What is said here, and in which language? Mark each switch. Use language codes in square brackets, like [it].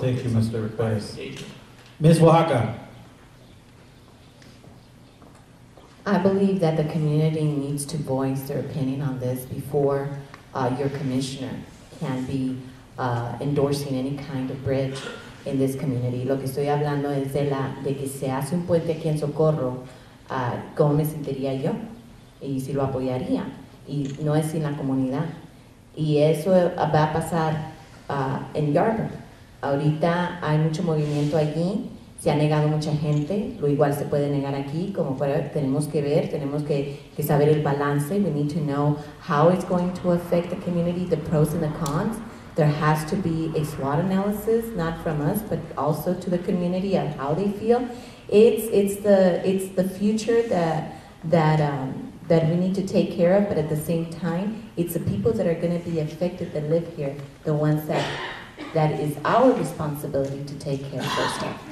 [en] thank you, Mr. Perez. Ms. Oaxaca. I believe that the community needs to voice their opinion on this before your commissioner can be endorsing any kind of bridge in this community. [es] Lo que estoy hablando es de que se hace un puente aquí en Socorro, ¿cómo me sentiría yo? Y si lo apoyaría. Y no es sin la comunidad. Y eso va a pasar en Yarborough. Ahorita hay mucho movimiento allí. Se ha negado mucha gente. Lo igual se puede negar aquí. Como fuera, tenemos que ver, tenemos que saber el balance. [en] We need to know how it's going to affect the community, the pros and the cons. There has to be a SWOT analysis, not from us, but also to the community of how they feel. It's the future that that we need to take care of, but at the same time, it's the people that are going to be affected that live here, the ones that that is our responsibility to take care of first off.